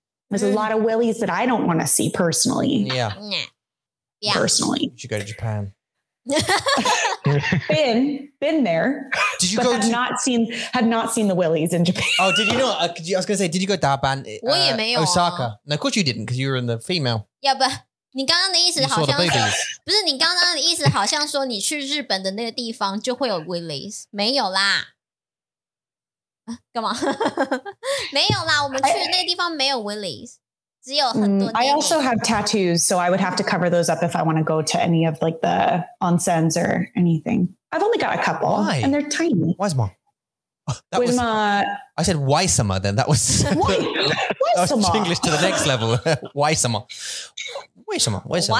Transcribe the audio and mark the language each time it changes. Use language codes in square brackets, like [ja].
[en] There's a lot of willies that I don't want to see personally. Yeah. Personally. You should go to Japan. been there. Did you go to... Have not seen the willies in Japan. Oh, did you not? I was going to say, did you go to Daban? [zh] 我也没有啊。 [en] Osaka. No, of course you didn't, because you were in the female. Yeah, but... [zh] 你刚刚的意思好像说不是，你刚刚的意思好像说你去日本的那个地方就会有 Willys， 没有啦，干嘛？没有啦，我们去的那个地方没有 Willys， 只有很多。 [en] I also have tattoos, so I would have to cover those up if I want to go to any of like the onsens or anything. I've only got a couple, why? And they're tiny. Why is more? That was, I said why summer then. That was, why summer? That was English to the next level. Why summer? Why summer? Why summer?